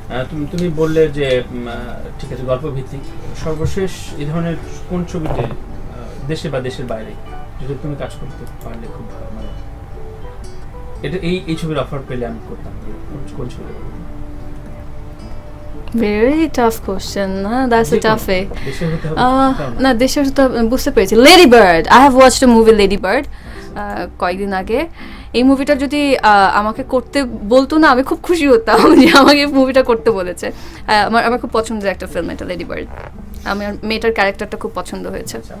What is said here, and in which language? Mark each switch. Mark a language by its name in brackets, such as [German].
[Bangla] তুমি তুমি বললে যে ঠিক আছে গল্প ভিত্তিক, সর্বশেষ এই ধরনের কোন ছবিতে দেশে বা দেশের বাইরে যদি তুমি কাজ করতে পারলে খুব ভালো, মানে এটা এই এই ছবির অফার পেলে আমি করতাম, কোন ছবি? [English] Very tough question, that's a toughie. [Bangla] Na desher to bujhte perechi, [English] Lady Bird, I have watched a movie Lady Bird [Bangla] koyekdin age, এই মুভিটা যদি আমাকে করতে বলতো না আমি খুব খুশি হতাম যে আমাকে মুভিটা করতে বলেছে। আমার আমার খুব পছন্দের একটা ফিল্ম এটা, লেডি বার্ড। আমার মেয়েটার ক্যারেক্টারটা খুব পছন্দ হয়েছে।